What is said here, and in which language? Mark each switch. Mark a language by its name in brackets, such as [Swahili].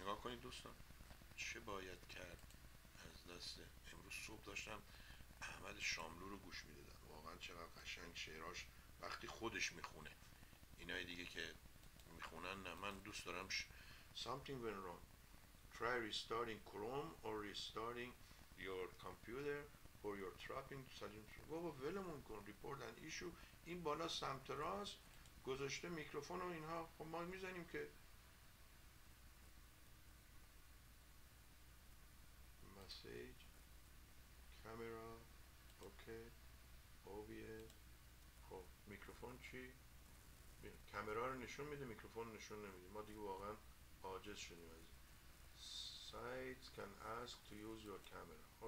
[Persian] نگاه کنید دوستان چه باید کرد از دست. امروز صبح داشتم احمد شاملو رو گوش میدادم، واقعا چقدر قشنگ شعراش وقتی خودش میخونه. اینای دیگه که میخونن نه، من دوست دارم [English] something went wrong. Try restarting Chrome or restarting your computer or your trapping. [Persian] بابا ولمون کن، [English] report an issue. [Persian] این بالا سمت راست گذاشته میکروفون و اینها، خب ما میزنیم که [English] message camera okay obvious. [Persian] خب میکروفون چی؟ کامرا رو نشون میده، میکروفون نشون نمیده. ما دیگه واقعا عاجز شدیم از این. [English] Sites can ask to use your camera.